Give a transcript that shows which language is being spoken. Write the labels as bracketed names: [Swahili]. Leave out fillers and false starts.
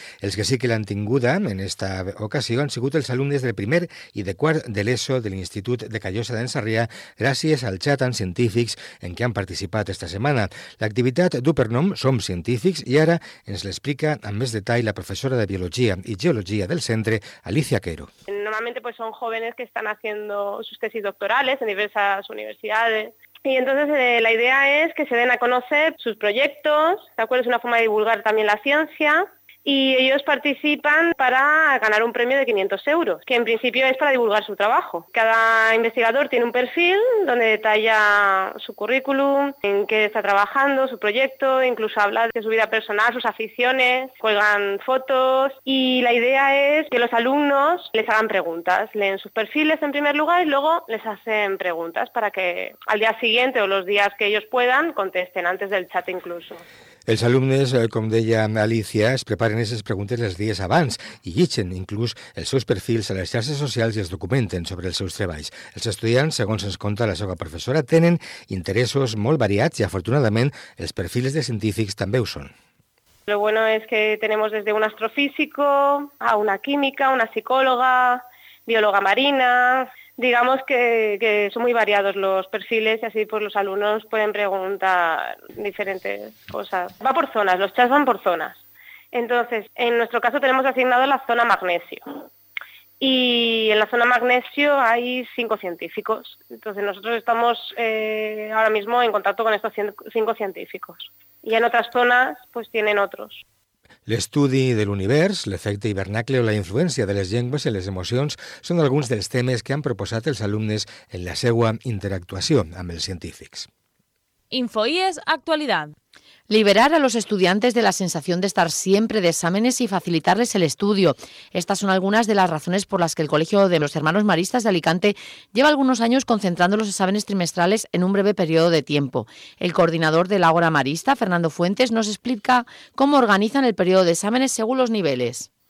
[Catalan] Els que sí que l'han tinguda en esta ocasió han sigut els alumnes del primer i de quart de l'ESO de l'Institut de Callosa d'en Sarrià, gràcies al xat amb científics en què han participat esta setmana. L'activitat du per nom Som Científics i ara ens l'explica amb més detall la professora de Biologia i Geologia del centre, Alicia Quero. [Spanish] Normalmente pues son jóvenes que están haciendo sus tesis doctorales en diversas universidades y entonces la idea es que se den a conocer sus proyectos, ¿de acuerdo? Es una forma de divulgar también la ciencia. Y ellos participan para ganar un premio de 500 euros, que en principio es para divulgar su trabajo. Cada investigador tiene un perfil donde detalla su currículum, en qué está trabajando, su proyecto, incluso habla de su vida personal, sus aficiones, cuelgan fotos. Y la idea es que los alumnos les hagan preguntas. Leen sus perfiles en primer lugar y luego les hacen preguntas para que al día siguiente o los días que ellos puedan contesten antes del chat incluso. [Catalan] Els alumnes, com deia Alicia, es preparen aquestes preguntes els dies abans i llitgen inclús els seus perfils a les xarxes socials i es documenten sobre els seus treballs. Els estudiants, segons ens conta la seva professora, tenen interessos molt variats i, afortunadament, els perfils de científics també ho són. [Spanish] Lo bueno es que tenemos desde un astrofísico a una química, una psicóloga, bióloga marina. Digamos que son muy variados los perfiles y así pues los alumnos pueden preguntar diferentes cosas. Va por zonas, los chats van por zonas. Entonces, en nuestro caso tenemos asignado la zona magnesio. Y en la zona magnesio hay 5 científicos. Entonces nosotros estamos ahora mismo en contacto con estos 5 científicos. Y en otras zonas pues tienen otros. [Catalan] L'estudi de l'univers, l'efecte hivernacle o la influència de les llengües i les emocions són alguns dels temes que han proposat els alumnes en la seua interactuació amb els científics. InfoIES Actualitat. [Spanish] Liberar a los estudiantes de la sensación de estar siempre de exámenes y facilitarles el estudio. Estas son algunas de las razones por las que el Colegio de los Hermanos Maristas de Alicante lleva algunos años concentrando los exámenes trimestrales en un breve periodo de tiempo. El coordinador de la Hora Marista, Fernando Fuentes, nos explica cómo organizan el periodo de exámenes según los niveles.